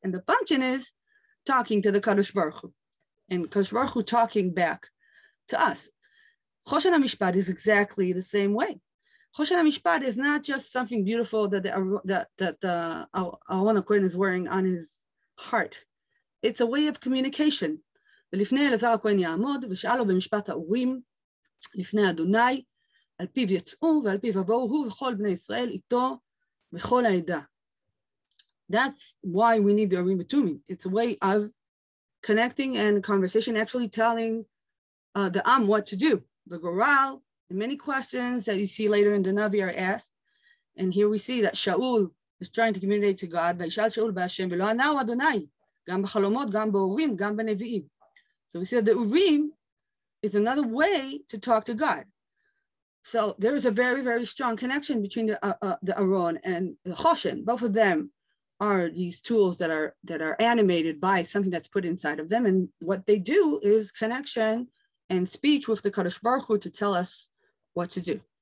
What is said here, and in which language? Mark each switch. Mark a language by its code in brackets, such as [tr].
[en] And the function is talking to the Kadosh Baruch Hu, and Kadosh Baruch Hu talking back to us. Choshen HaMishpat is exactly the same way. Choshen HaMishpat is not just something beautiful that Aron HaKohen is wearing on his heart. It's a way of communication. [he] ולפני אלעזר הכהן יעמוד ושאלו במשפט האורים לפני אדוני על פיו יצאו ועל פיו עבור הוא וכל בני ישראל איתו וכל העדה. [en] That's why we need the Urim Tumim. It's a way of connecting and conversation, actually telling the Am what to do. The Goral, the many questions that you see later in the Navi are asked. And here we see that Shaul is trying to communicate to God. [he] וישאל שאול בהשם ולא ענה הוא אדוני גם בחלומות גם באורים גם בנביאים. [en] So we said the Urim is another way to talk to God. So there is a very, very strong connection between the Aron and the Choshen. Both of them are these tools that are animated by something that's put inside of them. And what they do is connection and speech with the Kadosh Baruch Hu to tell us what to do.